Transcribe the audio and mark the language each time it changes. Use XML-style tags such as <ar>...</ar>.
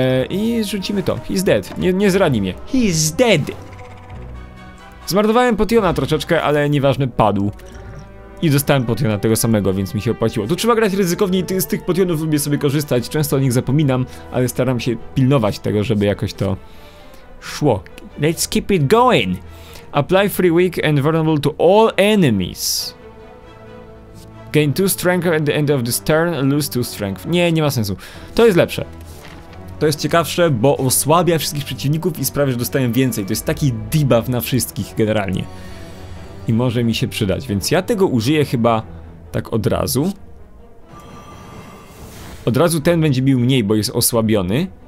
<pl>I rzucimy to.</pl> <en>He's dead.</en> <pl>Nie zrani mnie.</pl> <en>He's dead!</en> <pl>Zmarnowałem potiona troszeczkę, ale nieważne, padł. I dostałem potiona tego samego, więc mi się opłaciło. Tu trzeba grać ryzykownie i z tych potionów lubię sobie korzystać. Często o nich zapominam, ale staram się pilnować tego, żeby jakoś to szło.</pl> <en>Let's keep it going! Apply free weak and vulnerable to all enemies. Gain 2 strength at the end of this turn, lose 2 strength.</en> <pl>Nie ma sensu. To jest lepsze. To jest ciekawsze, bo osłabia wszystkich przeciwników i sprawia, że dostają więcej. To jest taki debuff na wszystkich generalnie. I może mi się przydać, więc ja tego użyję chyba tak od razu. Od razu ten będzie bił mniej, bo jest osłabiony.</pl>